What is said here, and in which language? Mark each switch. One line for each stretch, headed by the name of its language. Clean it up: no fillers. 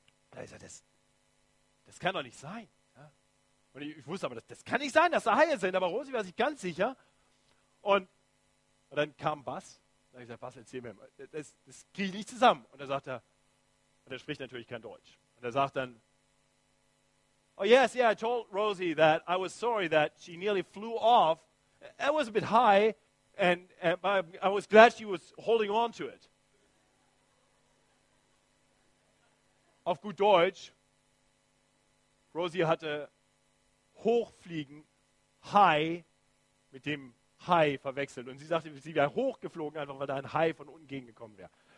German: Da ist er, das kann doch nicht sein. Ja. Und ich wusste aber, das kann nicht sein, dass da Haie sind. Aber Rosi war sich ganz sicher. Und dann kam Bass. Da habe ich gesagt, Bass, erzähl mir mal. Das kriege ich nicht zusammen. Und dann sagt er, und er spricht natürlich kein Deutsch. Und er sagt dann,
English: oh yes, yeah, I told Rosie that I was sorry that she nearly flew off. It was a bit high. And I was glad she was holding on to it.
German: Auf gut Deutsch, Rosie hatte hochfliegen, Hai mit dem Hai verwechselt. Und sie sagte, sie wäre hochgeflogen, einfach weil da ein Hai von unten gegengekommen wäre.